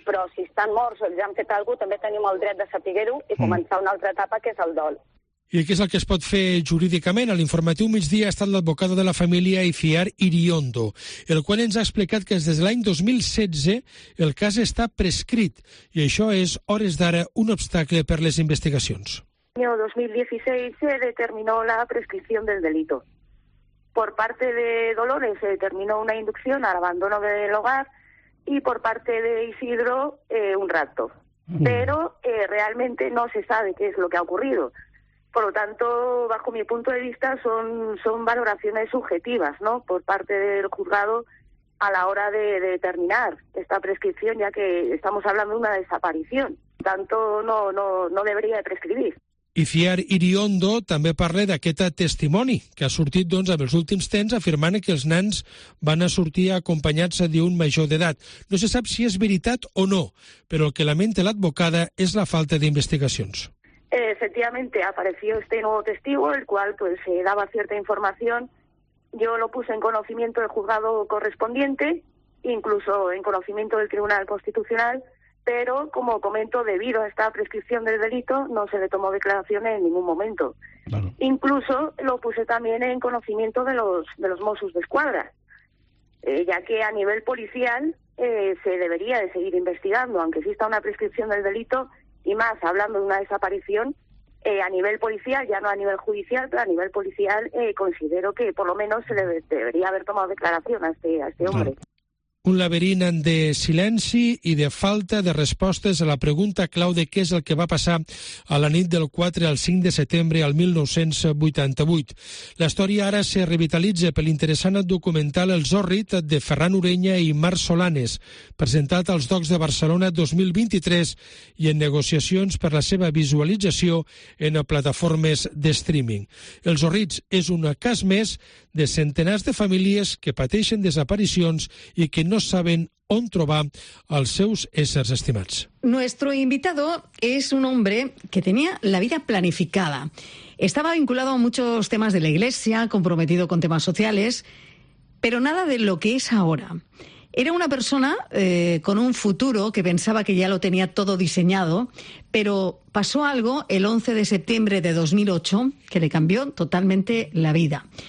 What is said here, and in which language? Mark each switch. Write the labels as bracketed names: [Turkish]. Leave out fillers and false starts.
[Catalan] Però si estan morts o ja han fet alguna cosa, també tenim el dret de saber-ho i començar una altra etapa, que és el dol. I què és el que es pot fer jurídicament? A l'informatiu migdia ha estat l'advocada de la família Ifiar Iriondo, el qual ens ha explicat que des de l'any 2016 el cas està prescrit i això és, hores d'ara, un obstacle per les investigacions. [Spanish] En el 2016 se determinó la prescripción del delito. Por parte de Dolores se determinó una inducción al abandono del hogar y por parte de Isidro un rapto. Pero realmente no se sabe qué es lo que ha ocurrido. Por lo tanto, bajo mi punto de vista, son valoraciones subjetivas, ¿no?, por parte del juzgado a la hora de determinar esta prescripción, ya que estamos hablando de una desaparición. Por tanto, no debería de prescribir. [Catalan] Ifiar Iriondo també parla d'aquest testimoni que ha sortit, doncs, en els últims temps, afirmant que els nens van a sortir acompanyats d'un major d'edat. No se sap si és veritat o no, però el que lamenta l'advocada és la falta d'investigacions. [Spanish] Efectivamente, apareció este nuevo testigo, el cual pues se daba cierta información. Yo lo puse en conocimiento del juzgado correspondiente, incluso en conocimiento del Tribunal Constitucional, pero, como comento, debido a esta prescripción del delito, no se le tomó declaración en ningún momento. Claro. Incluso lo puse también en conocimiento de los Mossos de Escuadra. ya que a nivel policial se debería de seguir investigando, aunque exista una prescripción del delito, y más, hablando de una desaparición, a nivel policial, ya no a nivel judicial, pero a nivel policial considero que por lo menos se le debería haber tomado declaración a este hombre. Claro. [Catalan] Un laberint de silenci i de falta de respostes a la pregunta clau de què és el que va passar a la nit del 4 al 5 de setembre al 1988. La història ara se revitalitza per l'interessant documental El Zòrrit de Ferran Ureña i Marc Solanes, presentat als Docs de Barcelona 2023 i en negociacions per la seva visualització en plataformes de streaming. El Zòrrit és un cas més de centenars de famílies que pateixen desaparicions i que no saben on trobar els seus éssers estimats. [Spanish] Nuestro invitado es un hombre que tenía la vida planificada. Estaba vinculado a muchos temas de la iglesia, comprometido con temas sociales, pero nada de lo que es ahora. Era una persona con un futuro que pensaba que ya lo tenía todo diseñado, pero pasó algo el 11 de septiembre de 2008 que le cambió totalmente la vida.